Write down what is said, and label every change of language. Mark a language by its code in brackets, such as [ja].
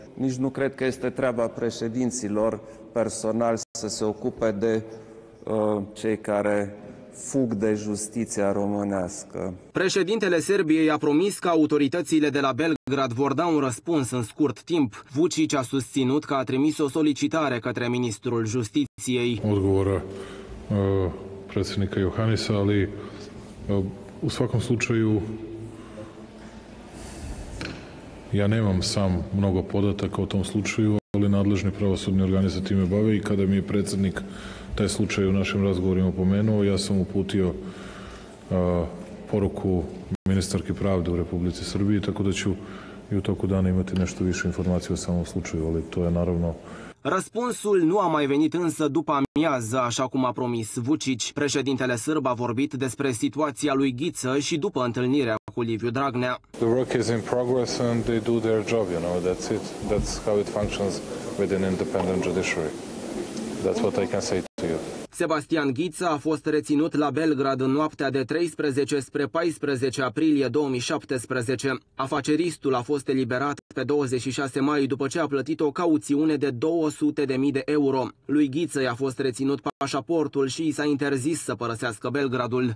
[ro] Nici nu cred că este treaba președinților personal să se ocupe de cei care fug de justiția românească. Președintele Serbiei a promis că autoritățile de la Belgrad vor da un răspuns în scurt timp. Vučić a susținut că a trimis o solicitare către ministrul Justiției. [sr] Odgovora predsednika Johanisa, ali u svakom slučaju ja nemam sam mnogo podataka o tom slučaju, ali nadležni pravosudni organi se time bave i kada mi je predsednik taj slučaj u našim razgovorima pomenuo, ja sam uputio poruku ministarki pravde u Republici Srbiji, tako da ću i u toku dana imati nešto više informacije o samom slučaju, ali to je naravno... [ro] Răspunsul nu a mai venit însă după amiază, așa cum a promis Vučić. Președintele sârb a vorbit despre situația lui Ghiță și după întâlnirea cu Liviu Dragnea. [en] The work is in progress and they do their job, you know, that's it. That's how it functions with an independent judiciary. That's what I can say to you. [ro] Sebastian Ghiță a fost reținut la Belgrad în noaptea de 13 spre 14 aprilie 2017. Afaceristul a fost eliberat pe 26 mai după ce a plătit o cauțiune de 200.000 de euro. Lui Ghiță i-a fost reținut pașaportul și i s-a interzis să părăsească Belgradul.